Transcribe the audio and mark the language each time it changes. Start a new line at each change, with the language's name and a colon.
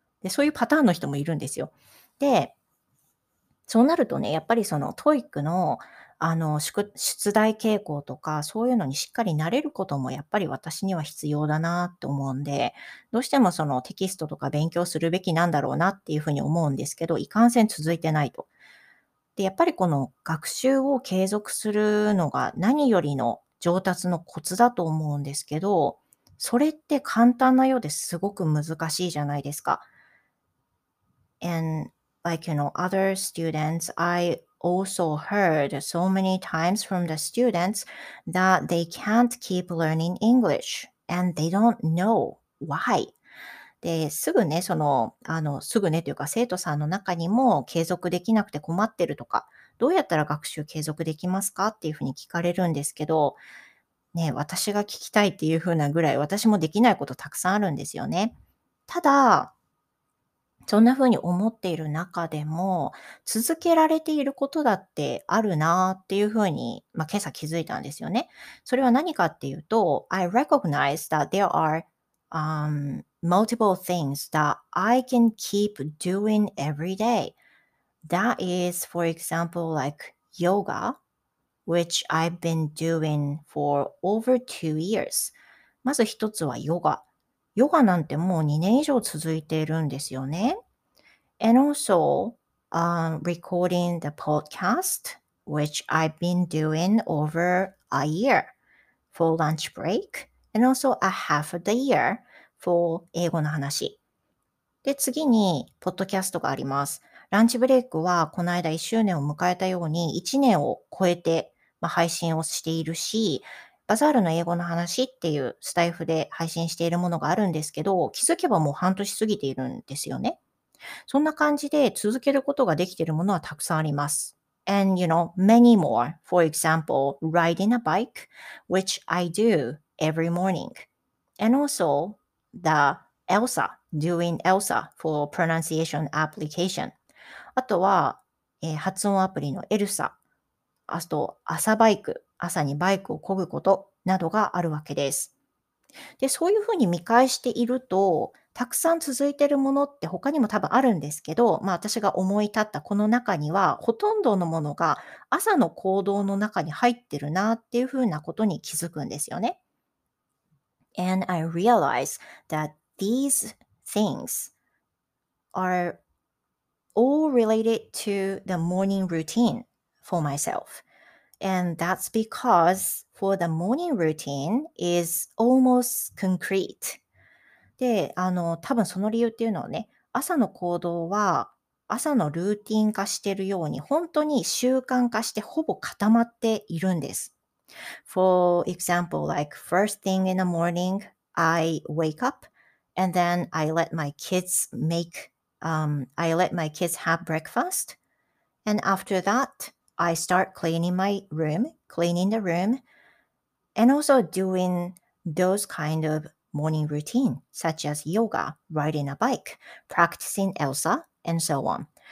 Japanese: で、そういうパターンの人もいるんですよ。で、そうなるとね、やっぱりそのTOEIC の出題傾向とか、そういうのにしっかり慣れることもやっぱり私には必要だなって思うんで、どうしてもそのテキストとか勉強するべきなんだろうなっていうふうに思うんですけど、いかんせん続いてないと。で、やっぱりこの学習を継続するのが何よりの上達のコツだと思うんですけど、それって簡単なようですごく難しいじゃないですか。
English: And like, you know, other students, I also heard so many times from the students that they can't keep learning English and they don't know why.
Japanese: で、すぐね、すぐねというか生徒さんの中にも継続できなくて困ってるとか、どうやったら学習継続できますかっていうふうに聞かれるんですけど、ね、私が聞きたいっていう風なぐらい私もできないことたくさんあるんですよね。ただそんな風に思っている中でも続けられていることだってあるなっていう風に、まあ、今朝気づいたんですよね。それは何かっていうと
English: I recognize that there are multiple things that I can keep doing every day. That is, for example, like yoga which I've been doing for over 2 years.
Japanese: まず一つはヨガ。ヨガなんてもう2年以上続いているんですよね。
English: And also, recording the podcast, which I've been doing over a year for lunch break, and also a half of the year for
Japanese: 英語の話。で、次に、ポッドキャストがあります。ランチブレイクは、この間1周年を迎えたように、1年を超えて、まあ、配信をしているし、バザールの英語の話っていうスタイフで配信しているものがあるんですけど、気づけばもう半年過ぎているんですよね。そんな感じで続けることができているものはたくさんあります。
English: And you know, many more. For example, riding a bike, which I do every morning. And also, the Elsa, doing Elsa for pronunciation application.
Japanese: あとは、発音アプリのエルサ、あと朝バイク、朝にバイクを漕ぐことなどがあるわけです。で、そういうふうに見返していると、たくさん続いているものって他にも多分あるんですけど、まあ私が思い立ったこの中には、ほとんどのものが朝の行動の中に入ってるなっていうふうなことに気づくんですよね。
English: And I realize that these things are all related to the morning routine for myself. And that's because for the morning routine is almost concrete.
Japanese: で、多分その理由っていうのはね、朝の行動は朝のルーティン化してるように、本当に習慣化してほぼ固まっているんです。
English: For example, like first thing in the morning, I wake up and then I let my kids make, I let my kids have breakfast. And after that, I start cleaning my room, cleaning the room, and also doing those kind of morning routine, such as yoga, riding a bike, practicing Elsa, and so on.